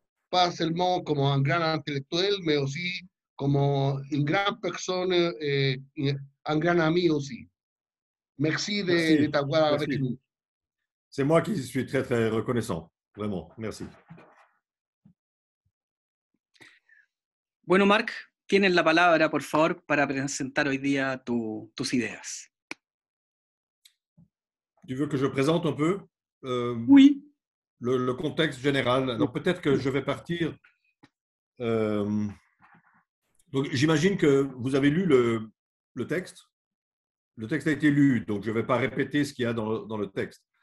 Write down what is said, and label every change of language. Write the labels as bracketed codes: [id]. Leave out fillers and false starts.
[fr] Pas seulement comme un grand intellectuel, mais aussi comme une grande personne et un grand ami aussi. Merci de Merci, t'avoir avec merci. nous. C'est moi qui suis très très reconnaissant, vraiment. Merci. [es] Bueno, Marc, tienes la palabra, por favor, para presentar hoy día tus ideas. [fr] Tu veux que je présente un peu Oui. le contexte général? Alors peut-être que je vais partir. Donc j'imagine que vous avez lu le texte. Le texte a été lu, donc je ne vais pas répéter ce qu'il y a dans le texte.